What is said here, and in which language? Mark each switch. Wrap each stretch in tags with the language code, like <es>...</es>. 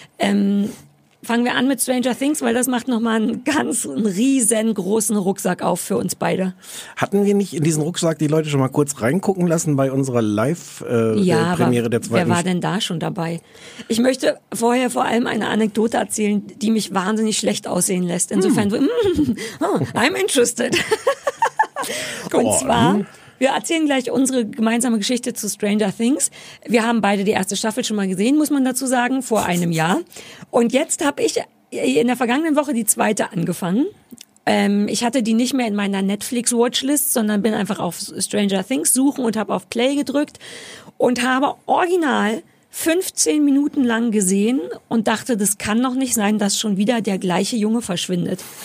<de>Fangen wir an mit Stranger Things, weil das macht nochmal einen riesengroßen Rucksack auf für uns beide. Hatten wir nicht in diesen Rucksack die Leute schon mal kurz reingucken lassen bei unserer Live-Premiere der zweiten? Wer war denn da schon dabei? Ich möchte vorher vor allem eine Anekdote erzählen, die mich wahnsinnig schlecht aussehen lässt.</de> <en>Insofern, I'm interested.</en> <de>Und zwar, wir erzählen gleich unsere gemeinsame Geschichte zu Stranger Things. Wir haben beide die erste Staffel schon mal gesehen, muss man dazu sagen, vor einem Jahr. Und jetzt habe ich in der vergangenen Woche die zweite angefangen. Ich hatte die nicht mehr in meiner Netflix-Watchlist, sondern bin einfach auf Stranger Things suchen und habe auf Play gedrückt und habe original 15 Minuten lang gesehen und dachte, das kann doch nicht sein, dass schon wieder der gleiche Junge verschwindet.</de>